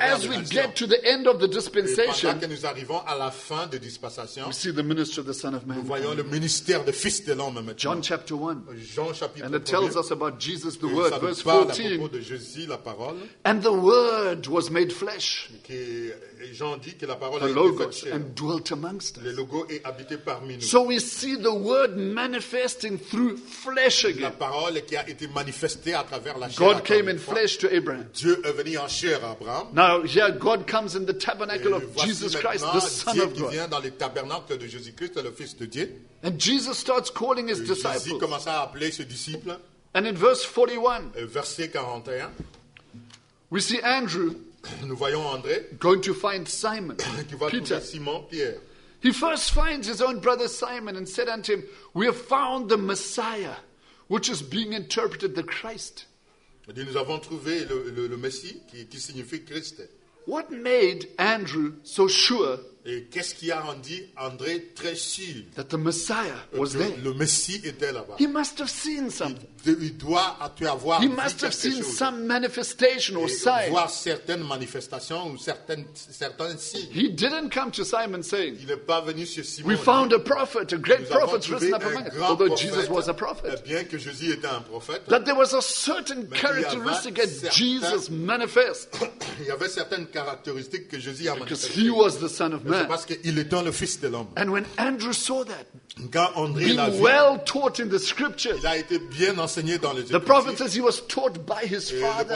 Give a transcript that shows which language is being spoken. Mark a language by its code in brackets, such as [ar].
[en] as we get to the end of the dispensation, [fr] que nous arrivons à la fin de dispensation, [en] we see the ministry of the Son of Man. [fr] Nous voyons le ministère de Fils de l'homme maintenant. [en] John chapter 1. [fr] Jean chapitre 1. [en] And it tells us about Jesus the [fr] et [en] Word, verse 14. [fr] À propos de Jésus, la parole. [en] And the Word was made flesh. [fr] Jean dit que la parole [en] the Logos and dwelt amongst us. [fr] Le logo est habité parmi nous. [en] So we see the Word manifesting through flesh again. [fr] La parole qui a été manifestée à travers la chair. [en] God came in flesh to Abraham. [fr] Dieu est venu en chair à Abraham. [en] Now here God comes in the tabernacle [fr] et [en] of Jesus Christ, the Son [fr] Dieu [en] of God. [fr] Dieu vient dans le tabernacle de Jésus-Christ, le Fils de Dieu. [en] And Jesus starts calling his [fr] et [en] disciples. [fr] Jésus commence à appeler ses disciples. [en] And in verse 41. [fr] Et verset 41. [en] We see Andrew. [fr] Nous voyons André [en] going to find Simon, [fr] qui va [en] Peter. [fr] Simon, Pierre. [en] He first finds his own brother Simon and said unto him, we have found the Messiah, which is being interpreted the Christ. [fr] Nous avons trouvé le Messie qui signifie Christ. [en] What made Andrew so sure? [fr] Et qu'est-ce qui a rendu André très sûr? [en] That the Messiah was there. [fr] Le Messie était là-bas. [en] He must have seen something. [fr] Il doit avoir [en] He must have seen [fr] chose. [en] Some manifestation or [fr] Et [en] sign. [fr] Voir certaines manifestations ou certains signes. [en] He didn't come to Simon saying. [fr] Il n'est pas venu chez Simon. [en] We found a prophet, a great prophet risen up among us. Although Jesus was a prophet. [fr] Bien que Jésus était un prophète. [en] That there was a certain characteristic that Jesus manifest. [fr] Il y avait certaines caractéristiques que Jésus a manifestées. [en] Because he was the Son of [fr] Mais c'est parce qu'il est le Fils de l'homme. [en] And when Andrew saw that, [fr] quand André [en] being [fr] l'a vu, [en] well taught in the scriptures, [fr] il a été bien enseigné dans les Écritures. [en] The prophet says he was taught by his father.